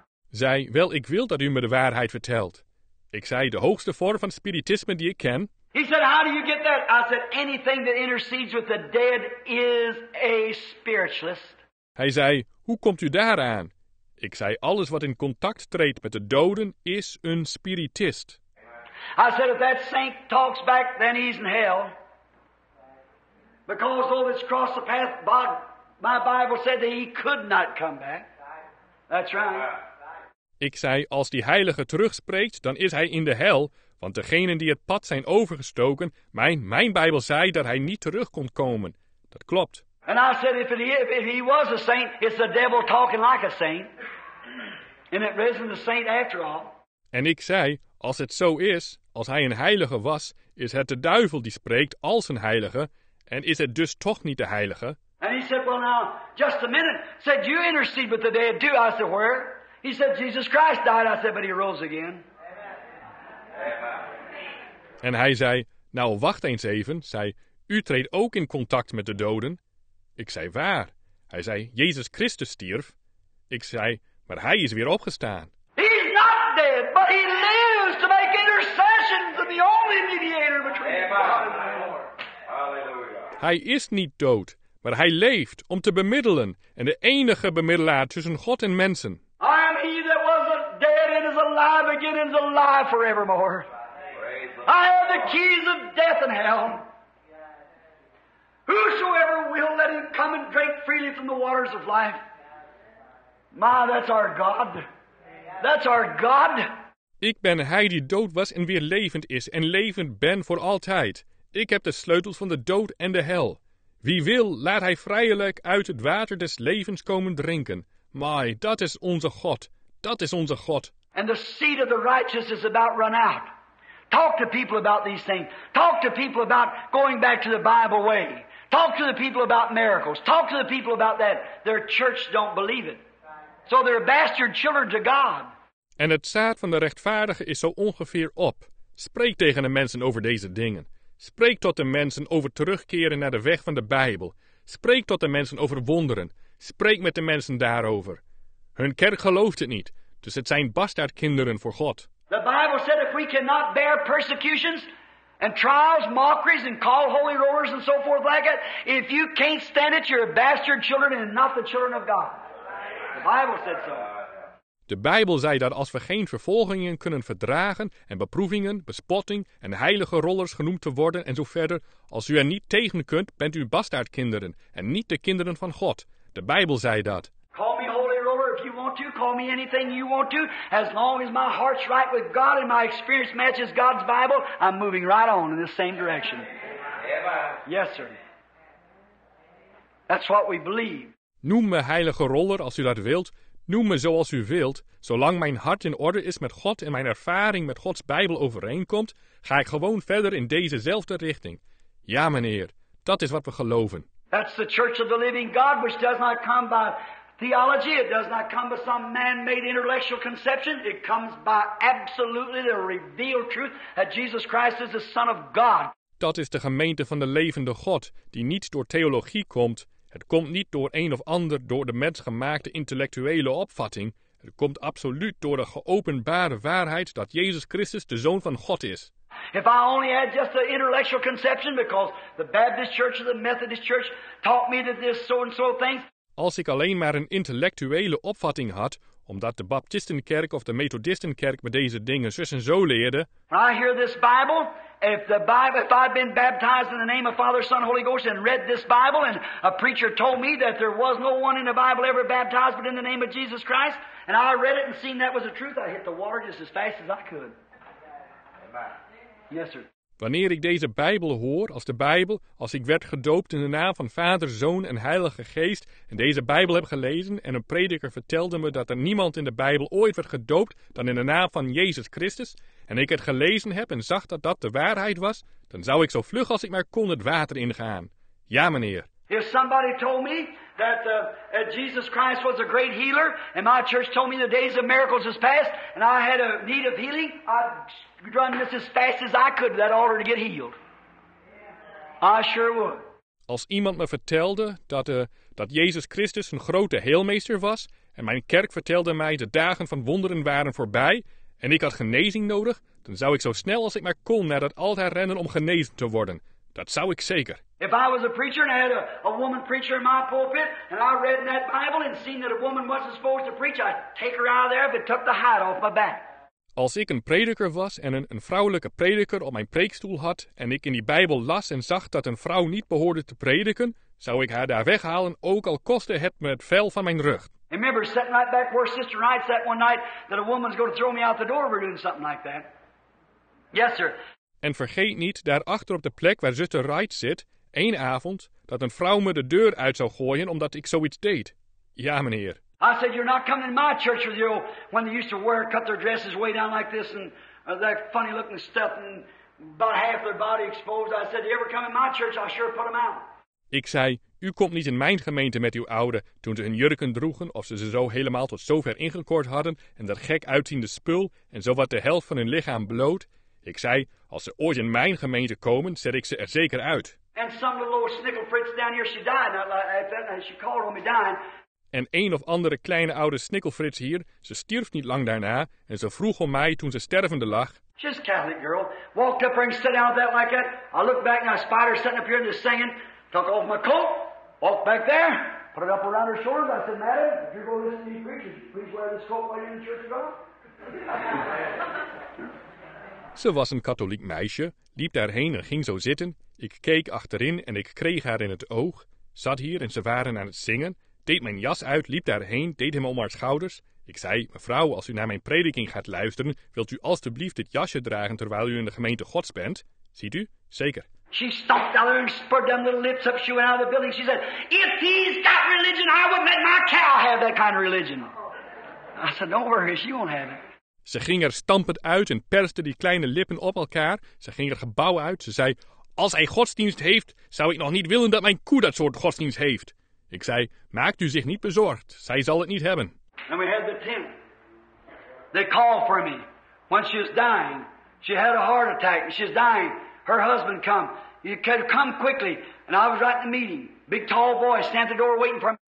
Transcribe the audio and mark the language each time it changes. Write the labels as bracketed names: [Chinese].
[Dutch] Zei, wel, ik wil dat u me de waarheid vertelt. Ik zei, de hoogste vorm van spiritisme die ik ken. [English] He said, how do you get that? I said, anything that intercedes with the dead is a spiritualist. [Dutch] Hij zei, hoe komt u daaraan? Ik zei, alles wat in contact treedt met de doden is een spiritist. [English] I said, if that saint talks back, then he's in hell. Because though it's crossed the path, my Bible said that he could not come back. That's right. [Dutch] Ik zei, als die heilige terugspreekt, dan is hij in de hel. Want degenen die het pad zijn overgestoken, mijn Bijbel zei dat hij niet terug kon komen. Dat klopt. [English] And I said, if he was a saint, it's the devil talking like a saint. And it risen the saint after all. [Dutch] En ik zei, als het zo is, als hij een heilige was, is het de duivel die spreekt als een heilige, en is het dus toch niet de heilige? [English] And he said, well now, just a minute. Said, you intercede with the dead too. I said, where? He said, Jesus Christ died. I said, but he rose again. [Dutch] En hij zei, nou wacht eens even. Zei, u treedt ook in contact met de doden. Ik zei, waar? Hij zei, Jezus Christus stierf. Ik zei, maar hij is weer opgestaan. [English] He's not dead, but he lives to make intercession to be the only mediator between God and the Lord. [Dutch] Hij is niet dood, maar hij leeft om te bemiddelen en de enige bemiddelaar tussen God en mensen. [English] I am he that was dead and is alive again and is alive forevermore. I have the keys of death and hell. Whosoever will, let him come and drink freely from the waters of life. My, that's our God. That's our God. [Dutch] Ik ben hij die dood was en weer levend is en levend ben voor altijd. Ik heb de sleutels van de dood en de hel. Wie wil, laat hij vrijelijk uit het water des levens komen drinken. My, dat is onze God. Dat is onze God. [English] And the seed of the righteous is about run out. Talk to people about these things. Talk to people about going back to the Bible way. Talk to the people about miracles. Talk to the people about that. Their church don't believe it. So they're bastard children to God. [Dutch] En het zaad van de rechtvaardige is zo ongeveer op. Spreek tegen de mensen over deze dingen. Spreek tot de mensen over terugkeren naar de weg van de Bijbel. Spreek tot de mensen over wonderen. Spreek met de mensen daarover. Hun kerk gelooft het niet, dus het zijn bastaardkinderen voor God. [English] The Bible said if we cannot bear persecutions and trials, mockeries and call holy rollers and so forth like that, if you can't stand it, you're bastard children and not the children of God. The Bible said so. [Dutch] De Bijbel zei dat als we geen vervolgingen kunnen verdragen en beproevingen, bespotting en heilige rollers genoemd te worden en zo verder, als u er niet tegen kunt, bent u bastaardkinderen en niet de kinderen van God. De Bijbel zei dat. [English] Call me holy roller if you want to. Call me anything you want to. As long as my heart's right with God and my experience matches God's Bible, I'm moving right on in the same direction. Yes, sir. That's what we believe. [Dutch] Noem me heilige roller als u dat wilt. Noem me zoals u wilt. Zolang mijn hart in orde is met God en mijn ervaring met Gods Bijbel overeenkomt, ga ik gewoon verder in dezezelfde richting. Ja, meneer, dat is wat we geloven. [English] That's the church of the living God, which does not come by theology. It does not come by some man-made intellectual conception. It comes by absolutely the revealed truth that Jesus Christ is the Son of God. [Dutch] Dat is de gemeente van de levende God, die niet door theologie komt. Het komt niet door een of ander door de mens gemaakte intellectuele opvatting. Het komt absoluut door de geopenbare waarheid dat Jezus Christus de Zoon van God is. [English] If I only had just the intellectual conception, because the Baptist Church or the Methodist Church taught me that there's so and so things. [Dutch] Als ik alleen maar een intellectuele opvatting had, omdat de Baptistenkerk of de Methodistenkerk me deze dingen zus en zo leerde. [English] When I hear this Bible, if I'd been baptized in the name of Father, Son, Holy Ghost and read this Bible and a preacher told me that there was no one in the Bible ever baptized but in the name of Jesus Christ and I read it and seen that was the truth, I hit the water just as fast as I could. Yes, sir. [Dutch] Wanneer ik deze Bijbel hoor, als de Bijbel, als ik werd gedoopt in de naam van Vader, Zoon en Heilige Geest en deze Bijbel heb gelezen en een prediker vertelde me dat er niemand in de Bijbel ooit werd gedoopt dan in de naam van Jezus Christus en ik het gelezen heb en zag dat dat de waarheid was, dan zou ik zo vlug als ik maar kon het water ingaan. Ja, meneer. [English] If somebody told me that Jesus Christ was a great healer and my church told me the days of miracles is past and I had a need of healing, I'd run just as fast as I could to that altar to get healed. I sure would. [Dutch] Als iemand me vertelde dat Jezus Christus een grote heelmeester was en mijn kerk vertelde mij de dagen van wonderen waren voorbij en ik had genezing nodig, dan zou ik zo snel als ik maar kon naar dat altaar rennen om genezen te worden. Dat zou ik zeker. [English] If I was a preacher and I had a woman preacher in my pulpit and I read in that Bible and seen that a woman wasn't supposed to preach, I'd take her out of there if it took the hide off my back. [Dutch] Als ik een prediker was en een vrouwelijke prediker op mijn preekstoel had en ik in die Bijbel las en zag dat een vrouw niet behoorde te prediken, zou ik haar daar weghalen, ook al kostte het me het vel van mijn rug. [English] I remember sitting right back where Sister Wright sat one night that a woman's going to throw me out the door if we're doing something like that. Yes, sir. [Dutch] En vergeet niet, daarachter op de plek waar zuster Wright zit, één avond, dat een vrouw me de deur uit zou gooien omdat ik zoiets deed. Ja, meneer. [English] I said, you're not coming in my church with you when they used to wear, cut their dresses way down like this and that funny looking stuff and about half their body exposed. I said, you ever come in my church, I'll sure put them out. [Dutch] Ik zei, u komt niet in mijn gemeente met uw oude toen ze hun jurken droegen of ze zo helemaal tot zover ingekort hadden en dat gek uitziende spul en zo wat de helft van hun lichaam bloot. Ik zei, als ze ooit in mijn gemeente komen, zet ik ze er zeker uit. [English] And some little old snikkelfrits down here, she died. She called on me dying. [Dutch] En een of andere kleine oude snikkelfrits hier, ze stierf niet lang daarna en ze vroeg om mij toen ze stervende lag. [English] She's a Catholic girl. Walked up and sat down there like that. I looked back and I spied her sitting up here and just singing. Took off my coat, walked back there, put it up around her shoulders. I said, madam, if you're going to listen to these preachers, please wear this coat while you're in the church of God. [Dutch] Ze was een katholiek meisje, liep daarheen en ging zo zitten. Ik keek achterin en ik kreeg haar in het oog. Zat hier en ze waren aan het zingen. Deed mijn jas uit, liep daarheen, deed hem om haar schouders. Ik zei, mevrouw, als u naar mijn prediking gaat luisteren, wilt u alstublieft dit jasje dragen terwijl u in de gemeente Gods bent? Ziet u? Zeker. [English] She stomped out there and spurred them little lips up. She went out of the building. She said, if he's got religion, I would make my cow have that kind of religion. I said, don't worry, she won't have it. [Dutch] Ze ging er stampend uit en perste die kleine lippen op elkaar. Ze ging er gebouw uit. Ze zei, als hij godsdienst heeft, zou ik nog niet willen dat mijn koe dat soort godsdienst heeft. Ik zei, maakt u zich niet bezorgd. Zij zal het niet hebben. [English] And we had the tent. They called for me. When she was dying, she had a heart attack. She was dying. Her husband come. He could come quickly. And I was right in the meeting. Big tall boy stand at the door waiting for me.